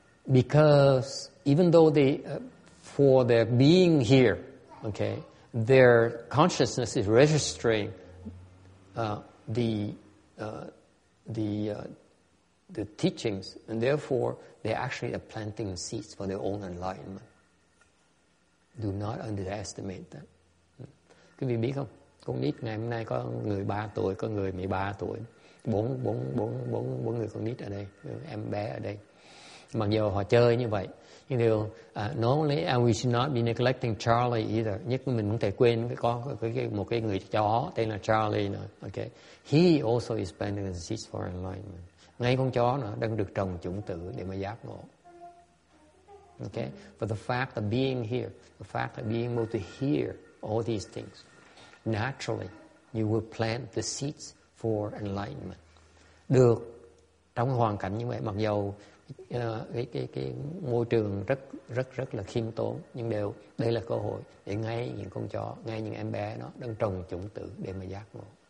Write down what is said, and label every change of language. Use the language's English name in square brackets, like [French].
[English] Because even though they, for their being here, okay, their consciousness is registering the teachings, and therefore they actually are planting seeds for their own enlightenment. Do not underestimate that. [Vietnamese] Quý vị biết không? Con nít ngày hôm nay có người 3 tuổi, có người 13 tuổi, bốn người con nít ở đây, em bé ở đây. Mặc dù họ chơi như vậy, nhưng điều [English] normally and we should not be neglecting Charlie either. [Vietnamese] Nhất mình không thể quên một cái người chó tên là Charlie nữa. [English] Okay, he also is planting the seeds for enlightenment. [Vietnamese] Ngay con chó nữa đang được trồng chủng tử để mà giác ngộ. [English] Okay, but the fact of being here, the fact of being able to hear all these things, naturally, you will plant the seeds for enlightenment. [Vietnamese] Được trong hoàn cảnh như vậy, mặc dù cái môi trường rất rất rất là khiêm tốn, nhưng đều đây là cơ hội để ngay những con chó, ngay những em bé nó đang trồng chủng tử để mà giác ngộ.